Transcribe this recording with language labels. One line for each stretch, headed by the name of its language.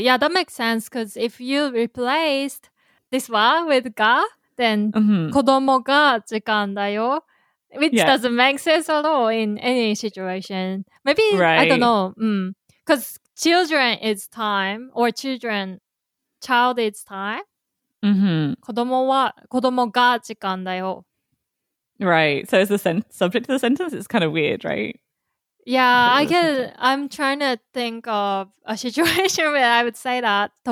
English: Yeah, that makes sense, because if you replaced this wa with ga, then
Japanese: 子供が
English: mm-hmm.
Japanese: 時間だよ,
English: which yeah. doesn't make sense at all in any situation. Maybe, right. I don't know. Because children is time, or children, child is time. Mm-hmm.
Japanese: 子供は子供が時間だよ.
English: Right. So is the subject of the sentence? It's kind of weird, right? Yeah, I'm trying to think of a situation where I would say that.